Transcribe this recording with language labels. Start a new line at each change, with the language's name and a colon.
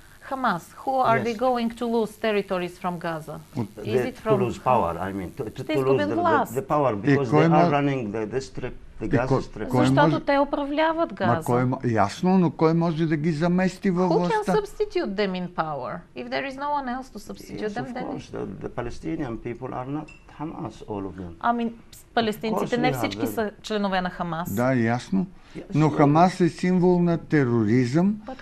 English: Hamas, who are they going to lose territories from Gaza? To lose power, I mean. To lose the power, because they are running the strip, the Gaza strip.
Bulgarian: Защото те управляват Газа. Ясно, но кой може да ги замести във властта?
English: Who can substitute them in power? If there is no one else to substitute them, then... Yes, of course, the Palestinian people are not Hamas, all of them. I mean,
Bulgarian: палестинците не всички са членове на Хамас. Да, ясно. Но Хамас е символ на тероризъм.